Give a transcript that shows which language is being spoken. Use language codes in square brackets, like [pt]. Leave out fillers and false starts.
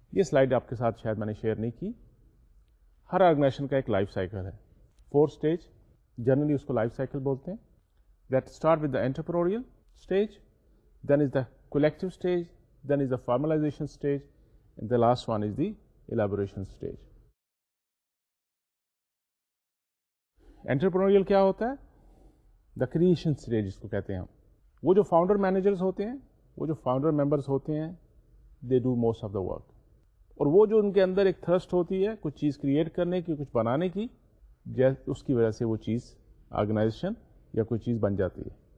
[ur] یہ سلائڈ آپ کے ساتھ شاید میں نے شیئر نہیں کی. ہر آرگنائزیشن کا ایک لائف سائیکل ہے, فور اسٹیج, جنرلی اس کو لائف سائیکل بولتے ہیں. [en] That start with the entrepreneurial stage, then is the collective stage, then is the formalization stage, and the last one is the elaboration stage. [ur] Entrepreneurial کیا ہوتا ہے؟ [en] the creation stage [ur] اس کو کہتے ہیں ہم. وہ جو فاؤنڈر مینیجرز ہوتے ہیں, وہ جو فاؤنڈر ممبرس ہوتے ہیں, [en] They do most of the work. [ur] اور وہ جو ان کے اندر ایک تھرسٹ ہوتی ہے کچھ چیز کریٹ کرنے کی, کچھ بنانے کی, اس کی وجہ سے وہ چیز آرگنائزیشن یا کوئی چیز بن جاتی ہے.